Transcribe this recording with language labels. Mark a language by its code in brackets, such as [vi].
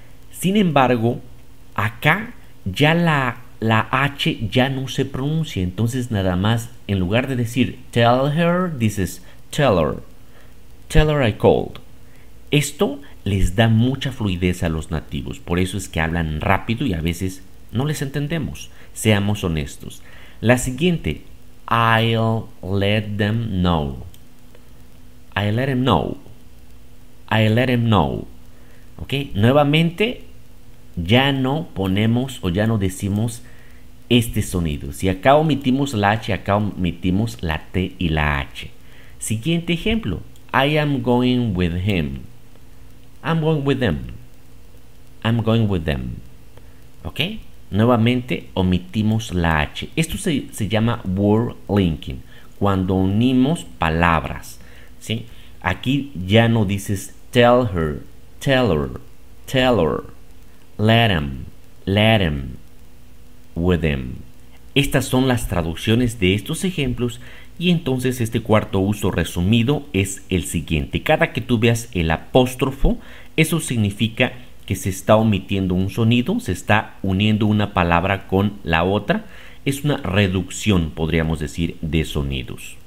[es] Sin embargo, acá ya la H ya no se pronuncia, entonces nada más en lugar de decir [en] tell her, [es] dices [en] tell her I called. [es] Esto les da mucha fluidez a los nativos, por eso es que hablan rápido y a veces no les entendemos, seamos honestos. La siguiente, [en] I'll let them know. I'll let them know. I'll let them know. [es] Ok, nuevamente ya no ponemos o ya no decimos este sonido. Si acá omitimos la H, acá omitimos la T y la H. Siguiente ejemplo. [en] I am going with him. I'm going with them. I'm going with them. ¿Ok? [es] Nuevamente omitimos la H. Esto se llama word linking. Cuando unimos palabras. ¿Sí? Aquí ya no dices [en] tell her, tell her, tell her. Let him, let him. With him. [es] Estas son las traducciones de estos ejemplos y entonces este cuarto uso resumido es el siguiente. Cada que tú veas el apóstrofo, eso significa que se está omitiendo un sonido, se está uniendo una palabra con la otra. Es una reducción, podríamos decir, de sonidos.